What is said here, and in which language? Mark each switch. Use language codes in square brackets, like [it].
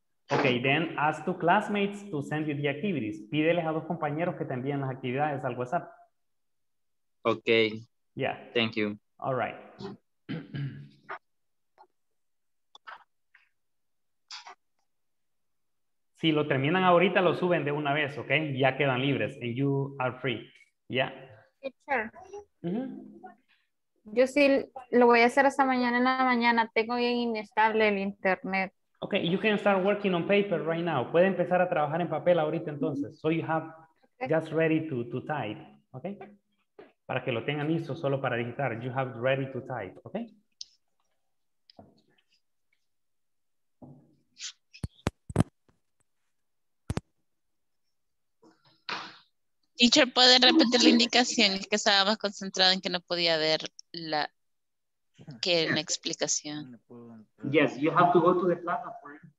[en] Okay, then ask two classmates to send you the activities. [es] Pídeles a dos compañeros que te envíen las actividades al WhatsApp. [en] Okay. Yeah. Thank you. All right. [es] Si lo terminan ahorita, lo suben de una vez, ¿ok? Ya quedan libres. [en] And you are free. [es] ¿Ya? [en] Teacher. [es] Yo sí lo voy a hacer hasta mañana en la mañana. Tengo bien inestable el internet. [en] Ok, you can start working on paper right now. [es] Puede empezar a trabajar en papel ahorita entonces. [en] So you have just ready to type, ¿ok? [es] Para que lo tengan listo solo para digitar. [en] You have ready to type, ¿ok? [es] Teacher, ¿puede repetir la indicación? Es que estaba más concentrada en que no podía ver la que una explicación. [en] Yes, you have to go to the platform.